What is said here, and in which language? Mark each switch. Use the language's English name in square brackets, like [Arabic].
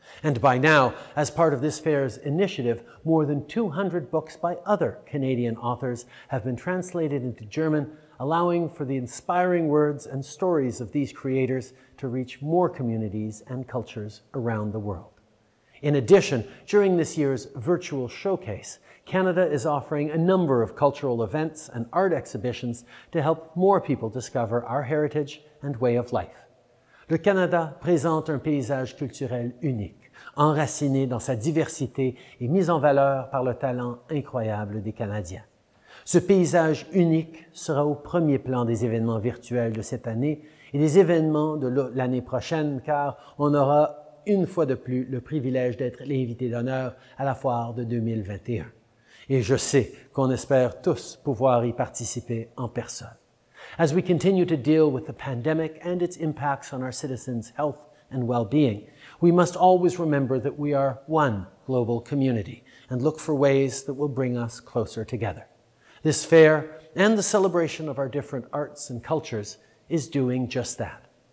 [English] And by now, as part of this fair's initiative, more than 200 books by other Canadian authors have been translated into German, allowing for the inspiring words and stories of these creators to reach more communities and cultures around the world. In addition, during this year's virtual showcase, Canada is offering a number of cultural events and art exhibitions to help more people discover our heritage and way of life. [French] Le Canada présente un paysage culturel unique, enraciné dans sa diversité et mis en valeur par le talent incroyable des Canadiens. Ce paysage unique sera au premier plan des événements virtuels de cette année et des événements de l'année prochaine, car on aura une fois de plus le privilège d'être l'invité d'honneur à la foire de 2021. Et je sais qu'on espère tous pouvoir y participer en personne. [English] As we continue to deal with the pandemic and its impacts on our citizens' health and well-being, we must always remember that we are one global community and look for ways that will bring us closer together. This fair and the celebration of our different arts and cultures is doing just that.